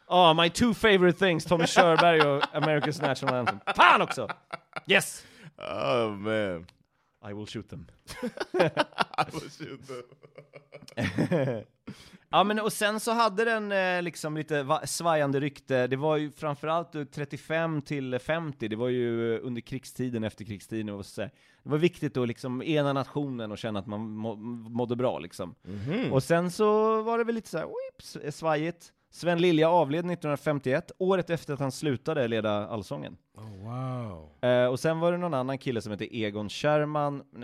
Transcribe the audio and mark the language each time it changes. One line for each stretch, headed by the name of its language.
English: Oh, my two favorite things, Tommy Körberg och America's National Anthem.
Swedish: Fan också!
English: Yes! Oh, man. I will shoot them. I will shoot them.
Swedish: Ja, men och sen så hade den liksom lite svajande rykte. Det var ju framförallt 35 till 50. Det var ju under krigstiden, efter krigstiden. Det var viktigt att liksom ena nationen och känna att man mådde bra liksom. Mm-hmm. Och sen så var det väl lite så här, oops, svajigt. Sven Lilja avled 1951, året efter att han slutade leda allsången.
English: Oh, wow.
Swedish: Och sen var det någon annan kille som heter Egon Kjerman.